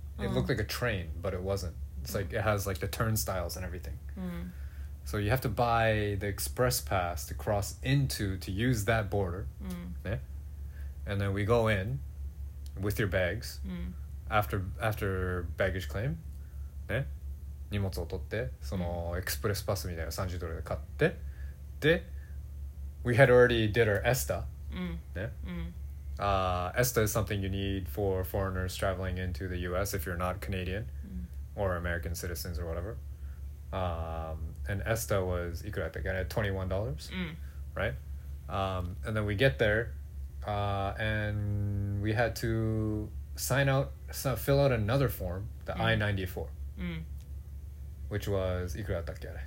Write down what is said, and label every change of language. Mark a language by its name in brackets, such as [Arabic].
[English] It looked like a train, but it wasn't. It's like, it has like the turnstiles and everything. Mm. So you have to buy the express pass to cross into, to use that border.、 Mm. Yeah? And then we go in with your bags、 mm. after baggage claim.、Yeah? [Japanese] 荷物を取って、そのエクスプレスパスみたいな30ドルで買って。 [English] で、we had already did our ESTA.、 Mm. Yeah? Mm. ESTA is something you need for foreigners traveling into the US if you're not Canadian、 mm. or American citizens or whatever. And ESTA was, [Japanese] いくらだったっけ? [English] $21, right? And then we get there, and we had to fill out another form, the I-94, which was, [Japanese] いくらだったっけ?